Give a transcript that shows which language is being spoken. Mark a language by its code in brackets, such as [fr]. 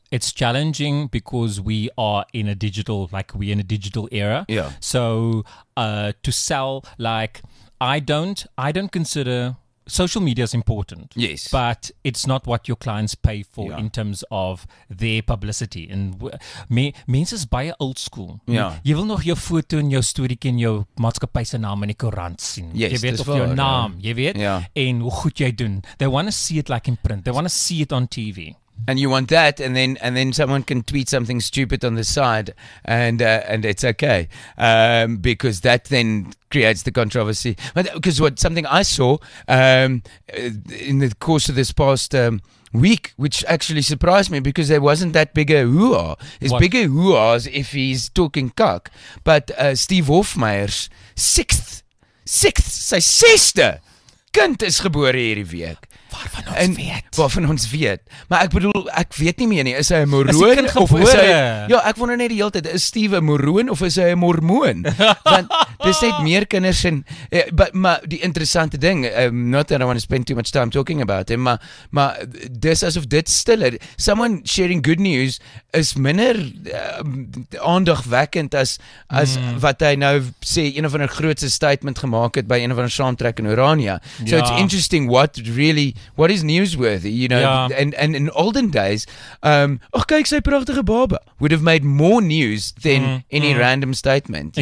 [en] It's challenging because we are in a digital, like we're in a digital era. Yeah. So to sell, like I don't consider social media is important. Yes. But it's not what your clients pay for in terms of their publicity. [af] And mense is baie old school. [en] Yeah. [af] Jy wil nog jou foto en jou storie ken, jou maatskappy se naam in die koerant sien. [en] Yes, jy [af] weet of jou naam, jy weet. [en] Yeah. [af] En hoe goed jy doen. [en] They want to see it like in print. They want to see it on TV. And you want that, and then someone can tweet something stupid on the side, and it's okay, because that then creates the controversy. Because what something I saw in the course of this past week, which actually surprised me, because there wasn't that big a hoo-ha. It's bigger hoo-ha's if he's talking cock, but Steve Hofmeyr's sixth, [af] sy sesde kind is gebore hierdie week. Waarvan ons weet. Maar ek bedoel, ek weet nie meer nie. Is hy 'n Maroon of is hy? Ja, ek wonder net die hele tyd, is Steve 'n Maroon of is hy 'n Mormoon? Want dis net meer kinders en maar die interessante ding, [en] not that I want to spend too much time talking about him, [af] maar dis asof dit stiller. [en] Someone sharing good news [af] is minder aandagwekkend as wat hy nou sê, een of ander grootse statement gemaak het by een of ander saamtrek in Orania. [en] So it's interesting what is newsworthy, you know, and in olden days, [af] oh, kyk sy pragtige baba [en] would have made more news than any random statement.